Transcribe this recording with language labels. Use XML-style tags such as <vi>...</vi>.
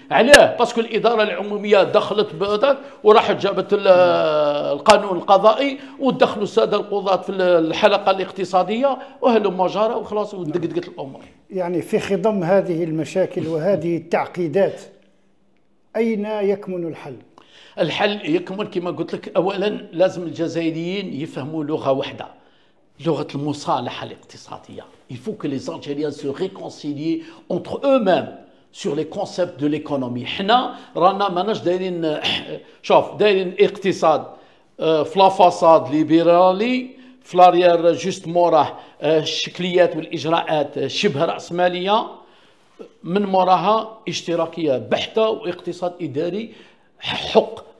<ar>علاه؟ باسكو الاداره العموميه دخلت بهذاك وراحت جابت القانون القضائي ودخلوا الساده القضاة في الحلقه الاقتصاديه واهل المجاره وخلاص ودقدقت الامور. يعني في خضم هذه المشاكل وهذه التعقيدات اين يكمن الحل؟ الحل يكمن كما قلت لك، اولا لازم الجزائريين يفهموا لغه واحده. لغة المصالحة الاقتصادية.</ar> <fr>Il faut que les Algériens se réconcilient entre eux-mêmes sur les concepts de l'économie.</fr> <ar>حنا رانا ماناش دايرين، شوف دايرين اقتصاد في لافاساد ليبرالي، في لاريير جوست موراه الشكليات والاجراءات شبه رأسمالية، من موراها اشتراكية بحتة واقتصاد إداري حق.</ar>